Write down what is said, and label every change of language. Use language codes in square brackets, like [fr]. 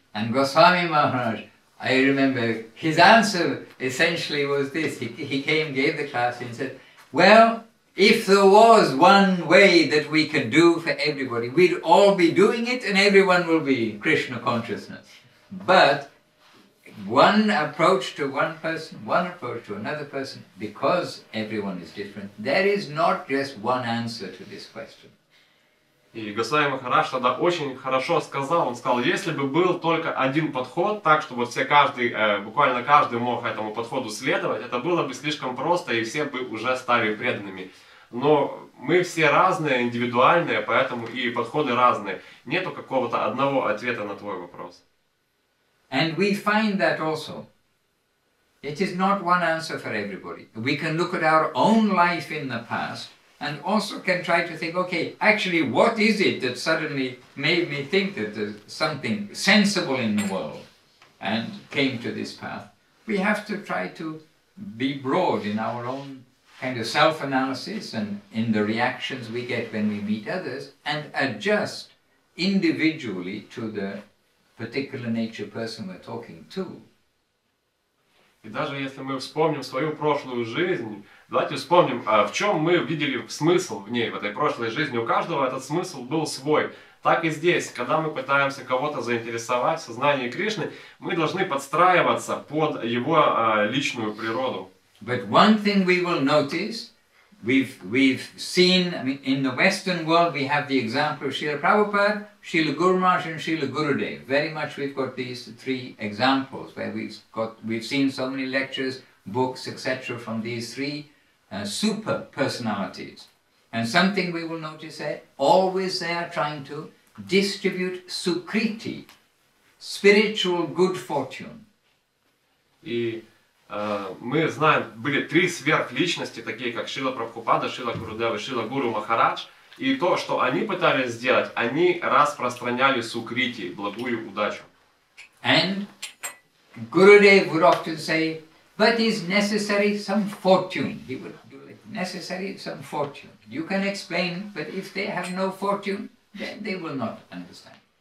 [en] And Goswami Maharaj, I remember, his answer essentially was this. He came, gave the class and said, well, if there was one way that we could do for everybody, we'd all be doing it and everyone will be Krishna consciousness. But one approach to one person, one approach to another person, because everyone is different, there is not just one answer to this question. [ru] И Госвами Махарадж тогда очень хорошо сказал, он сказал, если бы был только один подход, так, чтобы все каждый, буквально каждый мог этому подходу следовать, это было бы слишком просто, и все бы уже стали преданными. Но мы все разные, индивидуальные, поэтому и подходы разные. Нету какого-то одного ответа на твой вопрос. [en] And we find that also. It is not one answer for everybody. We can look at our own life in the past, and also can try to think, okay, actually, what is it that suddenly made me think that there's something sensible in the world and came to this path? We have to try to be broad in our own kind of self-analysis and in the reactions we get when we meet others and adjust individually to the particular nature person we're talking to. [ru] И даже если мы вспомним свою прошлую жизнь, давайте вспомним, в чем мы видели смысл в ней, в этой прошлой жизни. У каждого этот смысл был свой. Так и здесь, когда мы пытаемся кого-то заинтересовать в сознании Кришны, мы должны подстраиваться под его личную природу. [en] But one thing we will notice, we've seen, I mean, in the Western world we have the example of Srila Prabhupada, Srila Guru Maharaj and Srila Gurudev. Very much we've got these three examples where we've seen so many lectures, books, etc. from these three super personalities. And something we will notice there, always they are trying to distribute sukriti, spiritual good fortune. [ru] И мы знаем, были три сверхличности, такие как Шрила Прабхупада, Шрила Гурудева, Шрила Гуру Махарадж. И то, что они пытались сделать, они распространяли сукрити, благую удачу. [en] And Gurudev would often say, but is necessary some fortune. He would do it. Necessary some fortune. You can explain, but if they have no fortune, then they will not understand.